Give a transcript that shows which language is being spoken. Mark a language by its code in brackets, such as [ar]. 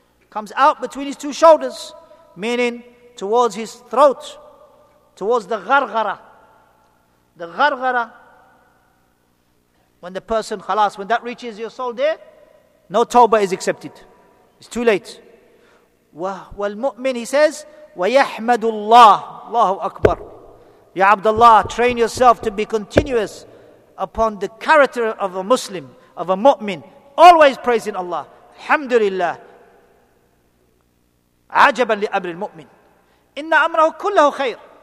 [en] Comes out between his two shoulders, meaning towards his throat, towards the gharghara. The gharghara, when the person, khalas, when that reaches your soul there, no tawbah is accepted. It's too late. [ar] وَالْمُؤْمِنِ, [en] he says, [ar] وَيَحْمَدُ اللَّهِ. Allahu Akbar. [en] Ya Abdullah, train yourself to be continuous upon the character of a Muslim, of a mu'min. Always praising Allah. Alhamdulillah. [ar] عَجَبًا لِأَمْرِ الْمُؤْمِنِ. إِنَّ أَمْرَهُ كُلَّهُ خَيْرٌ.